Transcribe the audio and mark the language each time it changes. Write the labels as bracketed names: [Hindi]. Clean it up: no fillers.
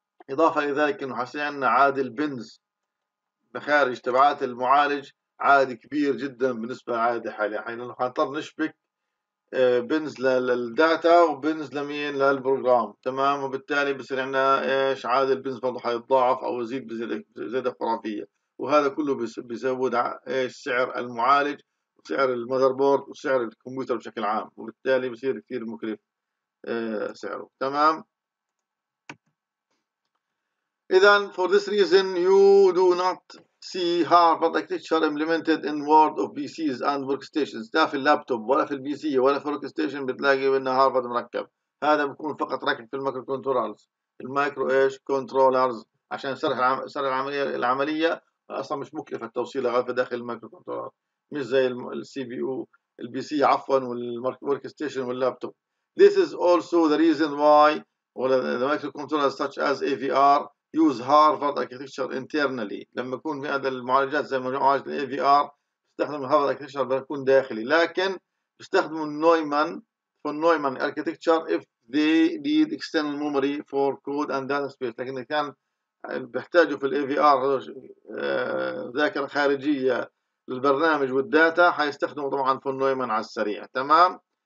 [Arabic] اضافه الى ذلك انه حصل عندنا عاد البنز بخارج تبعات المعالج عاد كبير جدا بالنسبه للعاده الحاليه، حين انه حنضطر نشبك بنز للداتا وبنز لمين للبروجرام، تمام، وبالتالي بصير عندنا ايش عاد البنز برضه حيتضاعف او يزيد بزياده خرافيه، وهذا كله بيزود ايش سعر المعالج وسعر المذر بورد وسعر الكمبيوتر بشكل عام، وبالتالي بصير كثير مكلف سعره، تمام. اذا [English] for this reason you do not see Harvard architecture implemented in world of PCs and workstations. [Arabic] لا في اللابتوب ولا في البي سي ولا في الورك ستيشن بتلاقي ان هارفرد مركب، هذا بيكون فقط راكب في المايكرو كنترولرز، المايكرو ايش كنترولرز، عشان سرع العمليه اصلا مش مكلفه التوصيل لغايه داخل المايكرو كنترولر، مش زي السي بي او البي سي عفوا والورك ستيشن واللابتوب. [English] This is also the reason why the micro controllers such as AVR use Harvard architecture internally. [Arabic] لما يكون في هذا المعالجات زي معالج الـ AVR يستخدم Harvard architecture بيكون داخلي، لكن يستخدموا النويمان [English] for Neumann architecture if they need external memory for code and data space. [Arabic] لكن كان بيحتاجوا في الـ AVR ذاكرة خارجية للبرنامج والداتا حيستخدموا طبعا for Neumann على السريع، تمام.